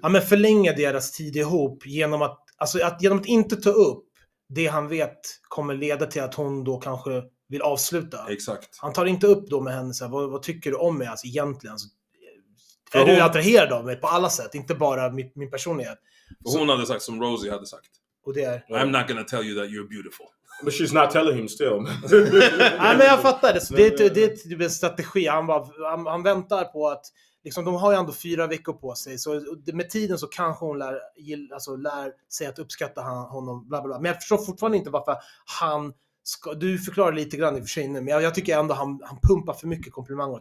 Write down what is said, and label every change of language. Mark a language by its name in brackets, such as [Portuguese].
[Swedish] Ja, men förlänga deras tid ihop. Genom att, genom att inte ta upp. Det han vet kommer leda till att hon då kanske. Vill avsluta. Exakt. Han tar inte upp då med henne så här, vad tycker du om mig alltså, egentligen? Alltså, är du attraherad av mig på alla sätt? Inte bara min personlighet. Så, hon hade sagt som Rosie hade sagt. Och det är, [English] I'm not gonna tell you that you're beautiful. But she's not telling him still. [Swedish] Nej, men jag fattar det. Det är en strategi. Han väntar på att liksom, de har ju ändå 4 veckor på sig. Så med tiden så kanske hon lär sig att uppskatta honom. Bla, bla, bla. Men jag förstår fortfarande inte varför han... Du förklarar lite grann i och för sig nu, men jag tycker ändå han pumpar för mycket komplimanger.